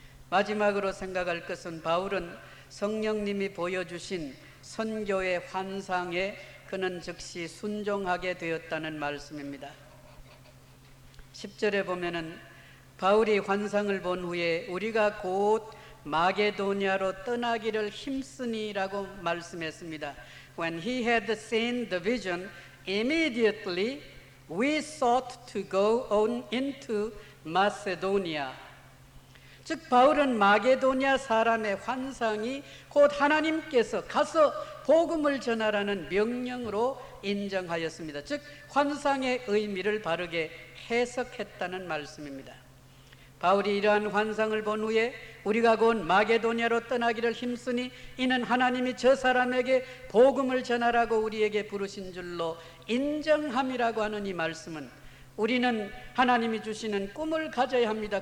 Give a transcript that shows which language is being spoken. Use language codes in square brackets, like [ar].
[ko] 마지막으로 생각할 것은 바울은 성령님이 보여주신 선교의 환상에 그는 즉시 순종하게 되었다는 말씀입니다. 10절에 보면은 바울이 환상을 본 후에 우리가 곧 마게도니아로 떠나기를 힘쓰니라고 말씀했습니다. [en] When he had seen the vision, immediately we sought to go on into Macedonia. [ko] 즉 바울은 마게도니아 사람의 환상이 곧 하나님께서 가서 복음을 전하라는 명령으로 인정하였습니다. 즉 환상의 의미를 바르게 해석했다는 말씀입니다. 바울이 이러한 환상을 본 후에 우리가 곧 마게도니아로 떠나기를 힘쓰니 이는 하나님이 저 사람에게 복음을 전하라고 우리에게 부르신 줄로 인정함이라고 하는 이 말씀은 우리는 하나님이 주시는 꿈을 가져야 합니다.